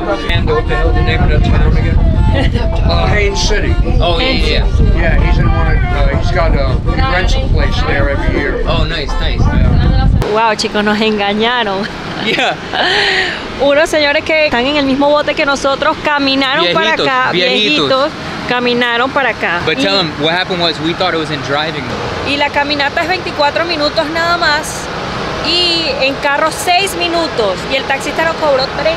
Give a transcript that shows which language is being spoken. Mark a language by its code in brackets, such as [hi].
[en] And what the hell is the name of that town again? Haines City. Oh, yeah, yeah. Yeah, he's in one of, he's got a rental place there every year. Oh, nice, nice. [es] Wow, chicos, nos engañaron. [en] Yeah. [es] Unos señores que están en el mismo bote que nosotros caminaron viejitos, para acá. Viejitos. Caminaron para acá. [en] But tell them, what happened was we thought it was in driving. [es] Y la caminata es 24 minutos nada más. Y en carro 6 minutos y el taxista nos cobró $30.